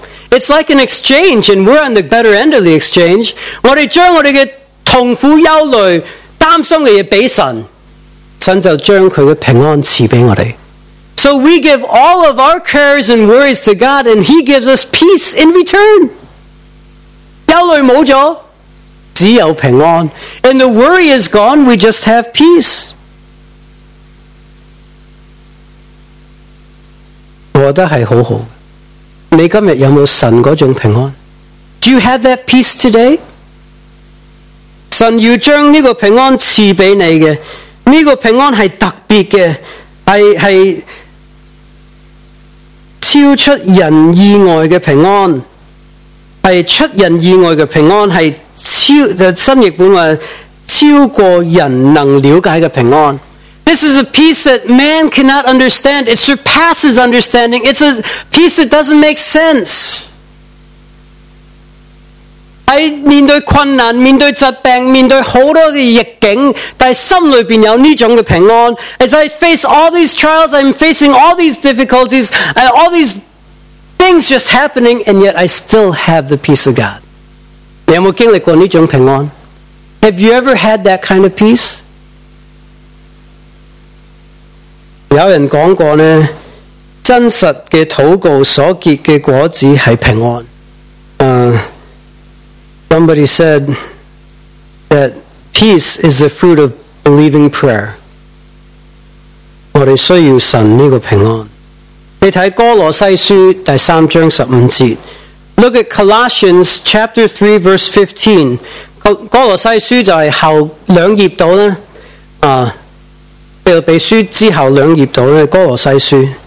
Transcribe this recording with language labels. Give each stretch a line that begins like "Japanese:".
English: It's like an exchange, and we're on the better end of the exchange.
Chinese: 我们将我们的痛苦、忧虑、担心的给神，神就将他的平安赐给我们。
English: So we give all of our cares and worries to God, and He gives us peace in return.
Chinese: 忧虑没了，只有平安。
English: And the worry is gone, we just have peace.
Chinese: 我觉得是很好。你今天有没有神那种平安？
English: Do you have that peace today?
Chinese: 神要将这个平安赐给你的，这个平安是特别的， 是超出人意外的平安，是出人意外的平安，是超，新译本说，超过人能了解的平安。
English: This is a peace that man cannot understand. It surpasses understanding. It's a peace that doesn't make sense.
Chinese: 在面对困难、面对疾病、面对好多的逆境，但心里边有这种的平安。
English: As I face all these trials, I'm facing all these difficulties, and all these things just happening, and yet I still have the peace of God.
Chinese: 你有没有经历过这种平安？
English: Have you ever had that kind of peace?
Chinese: 有人讲过呢，真实的祷告所结的果子是平安。
English: Somebody said that peace is the fruit of believing prayer.
Chinese: 我们需要神这个平安。你看哥罗西书第三章十五节。
English: Look at Colossians chapter 3 verse 15.
Chinese: 哥罗西书就是后两页到呢。腓立比书之后两页到的哥罗西书